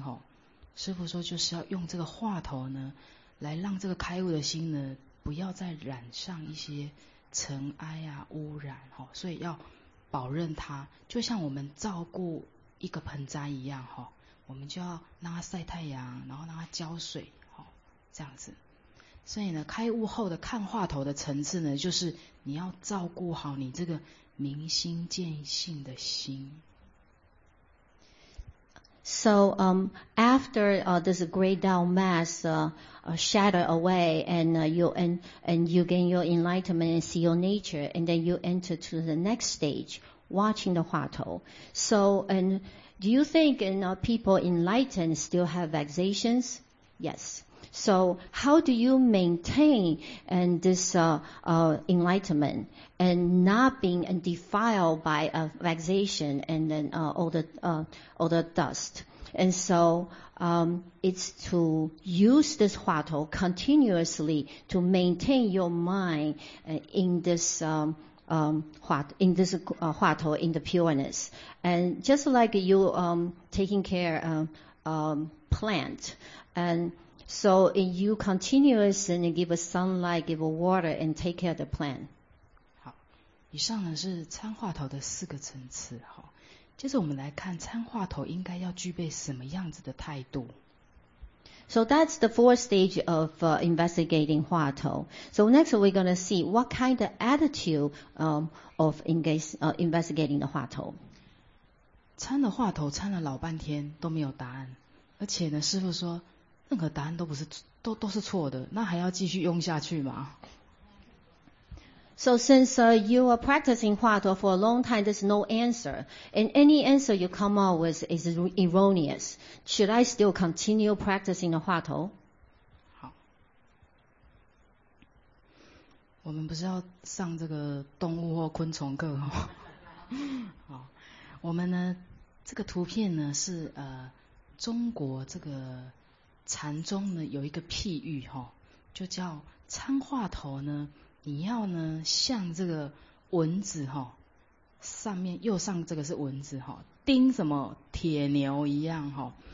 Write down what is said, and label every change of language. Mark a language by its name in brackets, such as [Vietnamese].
[Chinese] 吼，师父说就是要用这个话头呢，来让这个开悟的心呢，不要再染上一些尘埃啊污染，吼，所以要保任它，就像我们照顾一个盆栽一样，哦，我们就要让它晒太阳，然后让它浇水，哦，这样子。所以呢，开悟后的看话头的层次呢，就是你要照顾好你这个明心见性的心。 [English] So after this great Tao mass shattered away, and you gain your enlightenment and see your nature, and then you enter to the next stage, watching the Hua Tou. So, and do you think people enlightened still have vexations? Yes. So how do you maintain enlightenment and not being defiled by a vexation and then all the dust? And so it's to use this Hua Tou continuously to maintain your mind in this Hua Tou, in the pureness. And just like you taking care of plant, and so you continuously and give a sunlight, give a water, and take care of the plant. [Chinese] 好，以上呢是参话头的四个层次。好，接着我们来看参话头应该要具备什么样子的态度。 [English] So that's the fourth stage of investigating Hua Tou. So next we're going to see what kind of attitude of investigating the Hua Tou. [Chinese] 参了话头，参了老半天都没有答案，而且呢，师父说。任何答案都不是都是错的，那还要继续用下去吗 [English] ？So since you are practicing Hua Tou for a long time, there's no answer, and any answer you come up with is erroneous. Should I still continue practicing the Hua Tou? [Chinese] 好，我们不是要上这个动物或昆虫课哦。好，我们呢，这个图片呢是中国这个。禅宗呢有一个譬喻齁、哦、就叫参话头呢你要呢像这个蚊子齁、哦、上面右上这个是蚊子齁、哦、叮什么铁牛一样齁、哦、